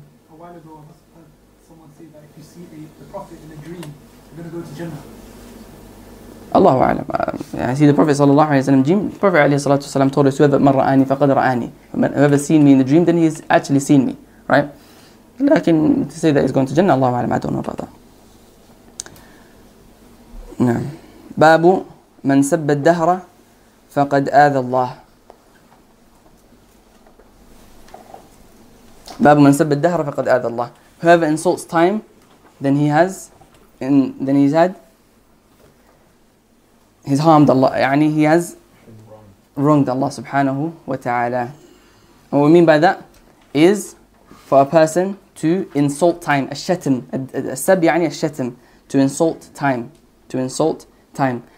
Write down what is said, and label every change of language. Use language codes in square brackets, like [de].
[en] A while ago I must have heard someone say that if you see the Prophet in a dream, you're going to go to Jannah. Allahu a'lam. I see the Prophet sallallahu alayhi wa sallam dream. The Prophet alayhi salatu wasalam told us, whoever marra ani faqad ra'ani. Whoever seen me in the dream, then he's actually seen me, right? Lakin to say that he's going to Jannah, Allahu a'lam, I don't know about that. [ar] Na'am. باب من سب الدهر فقد آذى الله. باب من سب الدهر فقد آذى الله. [en] Whoever insults time, then he has, and then he's had, he's harmed Allah. يعني he has wronged Allah سبحانه وتعالى. And what we mean by that is for a person to insult time, [ar] الشتم, السب يعني الشتم, [en] to insult time, to insult time.